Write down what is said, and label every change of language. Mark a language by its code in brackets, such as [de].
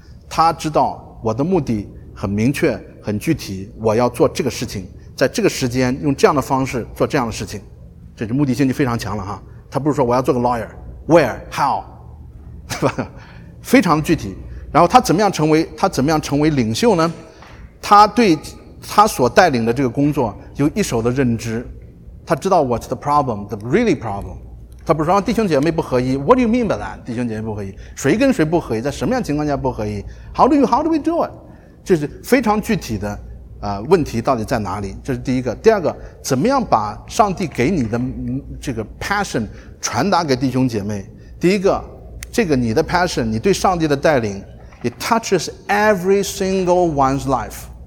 [zh] 他知道我的目的很明确很具体，我要做这个事情，在这个时间用这样的方式做这样的事情，这是目的性就非常强了哈。他不是说我要做个 lawyer， where， how， 对吧？非常具体。然后他怎么样成为领袖呢？他对他所带领的这个工作有一手的认知，他知道 [en] what's the problem, the really problem。 [zh] 他不是说弟兄姐妹不合一 ， [en] What do you mean by that？ [zh] 弟兄姐妹不合一，谁跟谁不合一，在什么样情况下不合一 ？ [en] How do we do it？ [zh] 这是非常具体的，问题到底在哪里？这是第一个。第二个，怎么样把上帝给你的这个 passion 传达给弟兄姐妹？第一个，这个你的 passion， 你对上帝的带领 ， [en] it touches every single one's life。